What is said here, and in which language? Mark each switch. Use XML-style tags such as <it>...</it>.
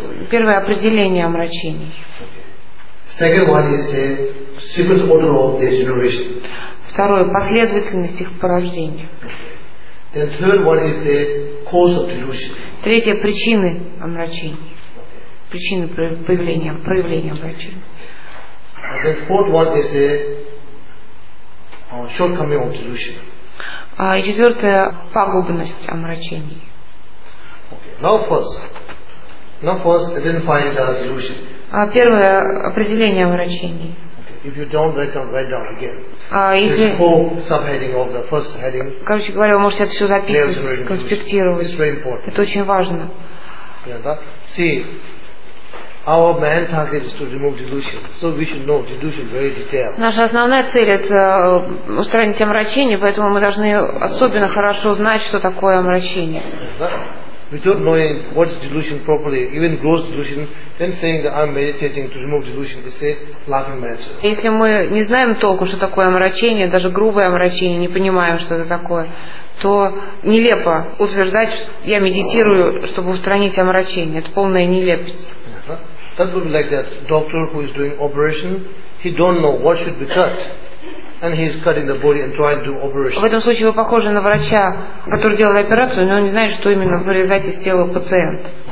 <ru>Первое – определение омрачений. Второе – последовательность их порождения.</ru> <en>The third one is a cause of delusion.</en> <ru>Третье – причины омрачений. Причины проявления омрачений.</ru> <en>And the fourth one is a shortcoming of delusion.</en> <ru>И четвертое – пагубность омрачений.</ru> <en>Okay. Now first, identify the delusion.</en> <ru>Первое – определение омрачений.</ru> <en>If you don't write down again.</en> <ru>Если</ru> <en>four subheading of the first heading.</en> <ru>Короче говоря, вы можете это все записывать, конспектировать. Это очень важно.</ru> <en>Yeah, see, our main target is to remove delusion, so we should know delusion very detailed.</en> <ru>Наша основная цель – это устранить омрачение, поэтому мы должны особенно хорошо знать, что такое омрачение. Yeah,</ru> <en>without knowing what's delusion properly, even gross delusion, then saying that I'm meditating to remove delusion, they say laughing matter.</en> <ru>Если мы не знаем толку, что такое омрачение, даже грубое омрачение, не понимаем, что это такое, то нелепо утверждать, что я медитирую, чтобы устранить омрачение. Это полная нелепица.</ru> <en>That would be like that doctor who is doing operation, he don't know what should be cut. And he is cutting the body and trying to do operation.</en> <ru>В этом случае вы похожи на врача, который делает операцию, но он не знает, что именно вырезать из тела пациента.</ru>